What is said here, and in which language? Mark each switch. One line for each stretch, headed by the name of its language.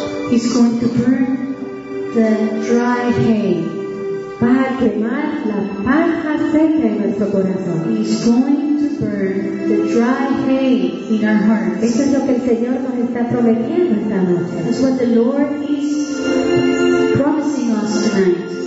English: He's going to burn the dry hay.
Spanish: Va a quemar la paja seca en nuestro corazón.
English: He's going to burn the dry hay in our hearts.
Spanish: Esto es lo que el Señor nos está prometiendo esta noche.
English: That's what the Lord is promising us tonight.